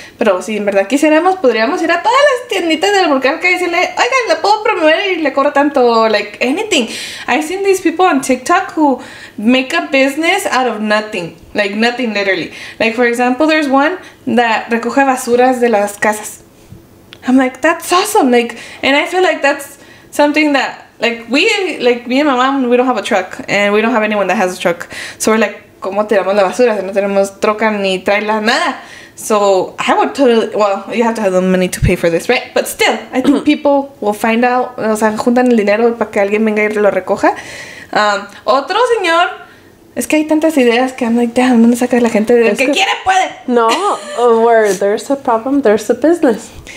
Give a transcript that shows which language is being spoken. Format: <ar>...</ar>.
<es>Pero si en verdad quisiéramos, podríamos ir a todas las tienditas del volcán que decirle, oigan, la puedo promover y le cobro tanto,</es> <en>like, anything. I've seen these people on TikTok who make a business out of nothing. Like, nothing, literally. Like, for example, there's one that</en> <es>recoge basuras de las casas.</es> <en>I'm like, that's awesome. Like, and I feel like that's something that, like, we, like, me and my mom, we don't have a truck. And we don't have anyone that has a truck. So we're like,</en> <es>cómo tiramos la basura, no tenemos troca ni trailer, nada.</es> <en>So I would totally, well, you have to have the money to pay for this, right? But still, I think people will find out,</en> <es>o sea, juntan el dinero para que alguien venga y lo recoja. Otro señor, es que hay tantas ideas que</es> <en>I'm like, damn,</en> <es>¿dónde saca la gente? El que quiere puede.</es> <en>No, where there's a problem, there's a business.</en>